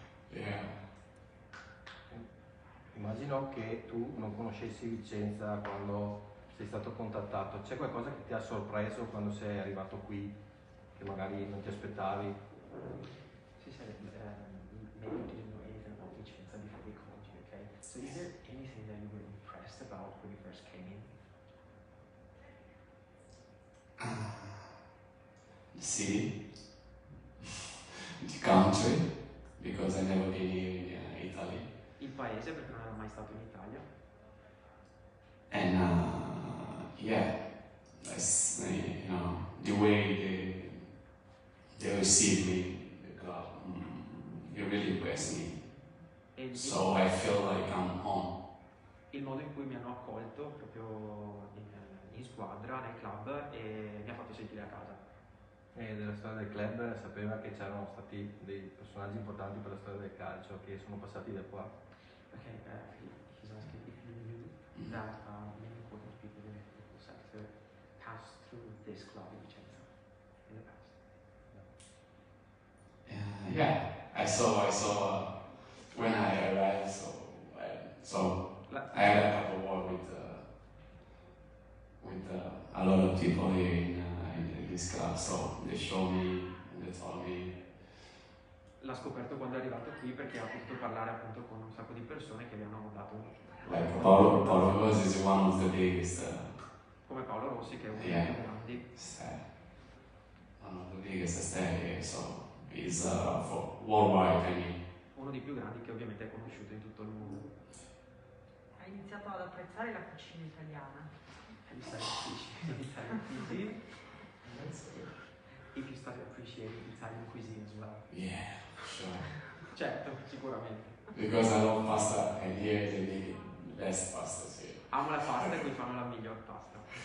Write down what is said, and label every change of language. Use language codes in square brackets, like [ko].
[en] Yeah. [it] Immagino che tu non conoscessi Vicenza quando sei stato contattato. C'è qualcosa che ti ha sorpreso quando sei arrivato qui, che magari non ti aspettavi? [en] Sì, maybe you didn't know anything about Vicenza before we called you, okay? So is there anything that you were impressed about when you first came in? [it] Sì. [en] The country, because I never been here in Italy. [it] Il paese, perché non ero mai stato in Italia. [en] And the way they received me, the club, it really impressed me. So I feel like I'm home. [it] Il modo in cui mi hanno accolto proprio in squadra, nel club, e mi ha fatto sentire a casa. E della storia del club sapeva che c'erano stati dei personaggi importanti per la storia del calcio che sono passati da qua. [en] Okay, he's asking if you knew that many important people in the football sector passed through this club in Vicenza in the past. No. Yeah, I saw when I arrived, so I So I had a couple of war with a lot of people here in this club. So they showed me, they told me. [it] L'ha scoperto quando è arrivato qui perché ha potuto parlare appunto con un sacco di persone che gli hanno dato. [en] Like Paolo Rossi is one of the biggest. [it] Come Paolo Rossi che è uno dei più grandi. [en] One of the biggest stand here, so is for worldwide, I mean. [it] Uno dei più grandi che ovviamente è conosciuto in tutto il mondo. Ha iniziato ad apprezzare la cucina italiana. [en] If you start to appreciate Italian cuisine as well. Yeah, for sure. [it] Certo, sicuramente. [en] Because I love pasta and here they make the best pasta here. [it] Amo la pasta e qui fanno la miglior pasta.